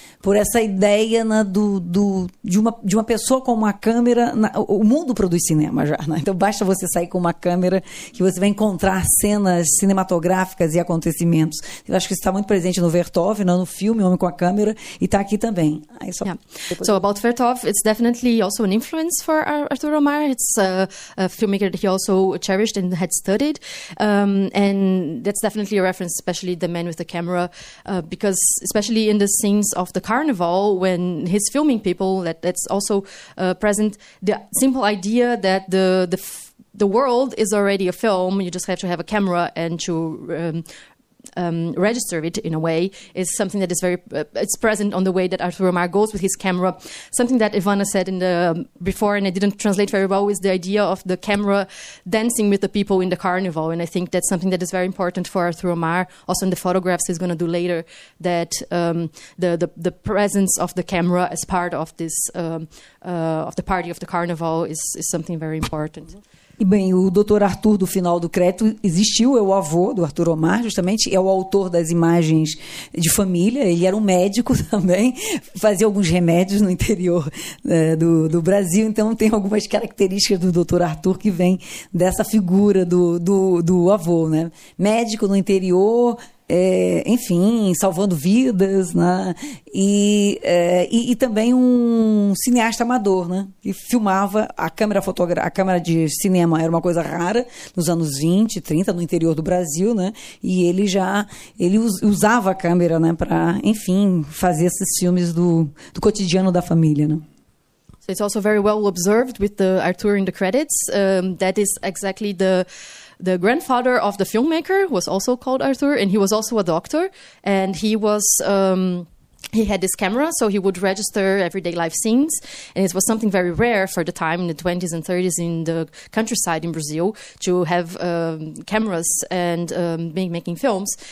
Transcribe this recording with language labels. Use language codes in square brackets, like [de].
[pt] por essa ideia, né, de uma pessoa com uma câmera. O mundo produz cinema já, né? Então basta você sair com uma câmera que você vai encontrar cenas cinematográficas e acontecimentos. Eu acho que isso está muito presente no Vertov, né, no filme Homem com a Câmera, e está aqui também. Aí só depois... [en] So about Vertov, it's definitely also an influence for Arthur Omar. It's a filmmaker that he also cherished and had studied, and that's definitely a reference, especially The Man with the Camera, because especially in the scenes of the carnival when he's filming people, that's also present, the simple idea that the world is already a film, you just have to have a camera and to register it in a way, is something that is very it's present on the way that Arthur Omar goes with his camera. Something that Ivana said in the before, and I didn't translate very well, is the idea of the camera dancing with the people in the carnival. And I think that's something that is very important for Arthur Omar, also in the photographs he's going to do later, that the presence of the camera as part of this of the party of the carnival is something very important. [pt] E bem, o Dr. Arthur do final do crédito existiu, é o avô do Arthur Omar, justamente, é o autor das imagens de família, ele era um médico também, fazia alguns remédios no interior do Brasil, então tem algumas características do Dr. Arthur que vem dessa figura do avô, né? Médico no interior... enfim, salvando vidas, né? E também um cineasta amador, né? E filmava a câmera de cinema era uma coisa rara nos anos 20, 30, no interior do Brasil, né? E ele usava a câmera, né, para, enfim, fazer esses filmes do cotidiano da família, né? [en] So it's also very well observed with the Arthur in the credits, that is exactly the grandfather of the filmmaker was also called Arthur, and he was also a doctor, and he was he had this camera, so he would register everyday life scenes, and it was something very rare for the time in the 20s and 30s in the countryside in Brazil to have cameras and making films.